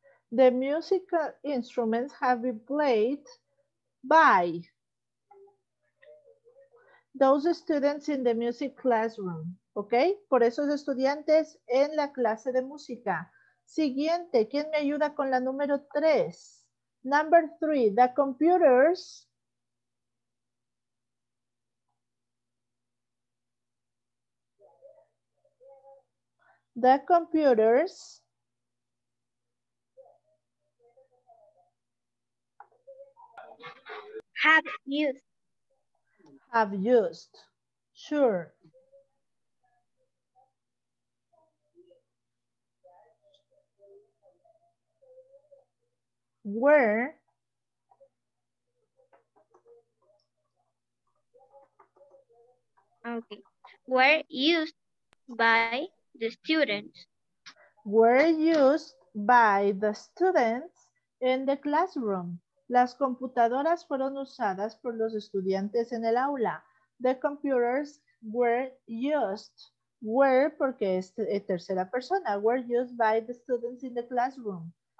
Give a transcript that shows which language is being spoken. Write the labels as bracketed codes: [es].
[en] The musical instruments have been played by those students in the music classroom. ¿Ok? [es] Por esos estudiantes en la clase de música. Siguiente, ¿quién me ayuda con la número 3? [en] Number 3, the computers. The computers have used, sure. Where okay, were used by the students. Were used by the students in the classroom. [es] Las computadoras fueron usadas por los estudiantes en el aula. [en] The computers were used. Were, [es] porque es tercera persona, [en] were used by the students in the classroom.